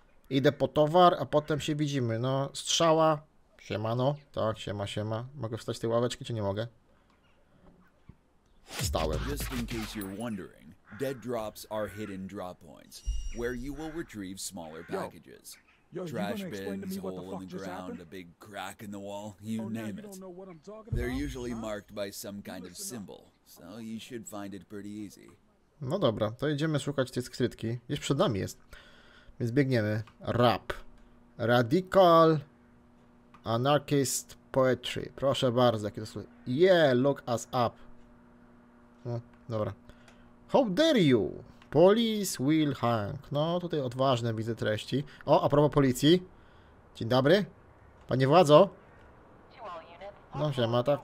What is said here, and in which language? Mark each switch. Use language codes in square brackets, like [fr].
[pl] Idę po towar, a potem się widzimy. No, strzała. Siemano. Tak, siema. Mogę wstać z tej ławeczki, czy nie mogę? Wstałem. [en] Just in case you're wondering, dead drops are hidden drop points, where you will retrieve smaller packages. Yo. Yo, trash bins, hole in the ground, a big crack in the wall, you name it. They're usually marked by some kind of symbol, so you should find it pretty easy. [pl] No dobra, to idziemy szukać tej skrytki. Gdzieś przed nami jest. Więc biegniemy. Rap. [en] Radical Anarchist Poetry. [pl] Proszę bardzo, jakie to słowo. [en] Yeah, look us up. [pl] No, dobra. [en] How dare you? Police will hang. [pl] No, tutaj odważne widzę treści. O, a propos policji. Dzień dobry. Panie władzo. No, siema, tak.